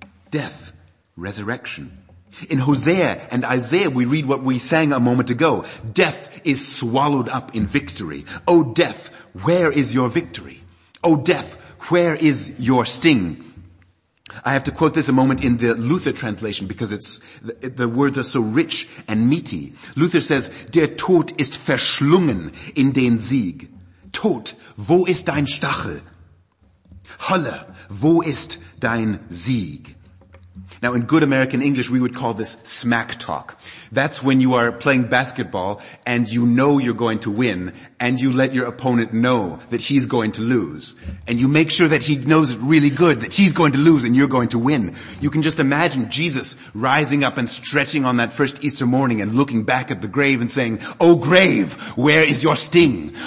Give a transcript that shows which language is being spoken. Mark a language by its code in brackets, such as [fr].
[en] Death, resurrection. In Hosea and Isaiah, we read what we sang a moment ago. "Death is swallowed up in victory. O death, where is your victory? O death, where is your sting?" I have to quote this a moment in the Luther translation because the words are so rich and meaty. Luther says, [de] "Der Tod ist verschlungen in den Sieg. Tod, wo ist dein Stachel? Hölle, wo ist dein Sieg?" [en] Now, in good American English, we would call this smack talk. That's when you are playing basketball and you know you're going to win and you let your opponent know that he's going to lose. And you make sure that he knows it really good, that he's going to lose and you're going to win. You can just imagine Jesus rising up and stretching on that first Easter morning and looking back at the grave and saying, "Oh grave, where is your sting?